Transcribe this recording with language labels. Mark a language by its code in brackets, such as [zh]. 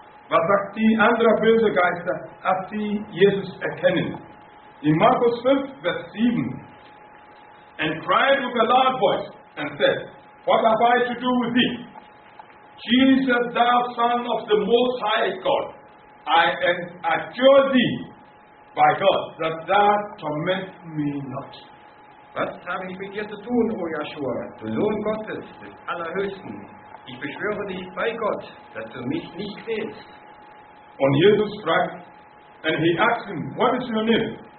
[de] Was sagt die andere böse Geister, als sie Jesus erkennen? In Markus 5, Vers 7. [en] And cried with a loud voice and said, What have I to do with thee? Jesus, thou Son of the Most High God, I adjure thee by God that thou torment me not. [de] Was habe ich mit dir zu tun, O Jeschua, du Sohn Gottes des Allerhöchsten? Ich beschwöre dich bei Gott, dass du mich nicht quälst. Und Jesus fragt, [en] and he asked him, What is your name?